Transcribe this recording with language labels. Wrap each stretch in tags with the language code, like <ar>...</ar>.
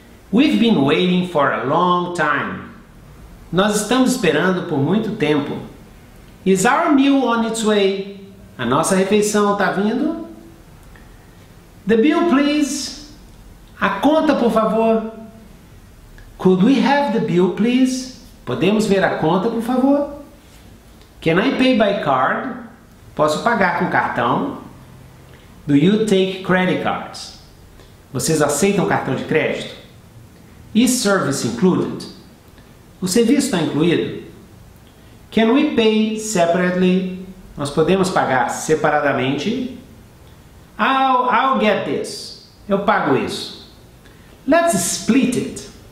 <en>We've been waiting for a long time.</en> <pt>Nós estamos esperando por muito tempo.</pt> <en>Is our meal on its way?</en> <pt>A nossa refeição está vindo?</pt> <en>The bill, please.</en> <pt>A conta, por favor.</pt> <en>Could we have the bill, please?</en> <pt>Podemos ver a conta, por favor?</pt> <en>Can I pay by card?</en> <pt>Posso pagar com cartão?</pt> <en>Do you take credit cards?</en> <pt>Vocês aceitam cartão de crédito?</pt> <en>Is service included?</en> <pt>O serviço está incluído?</pt> <en>Can we pay separately?</en> <pt>Nós podemos pagar separadamente?</pt> <en>I'll get this.</en> <pt>Eu pago isso.</pt> <en>Let's split it.</en>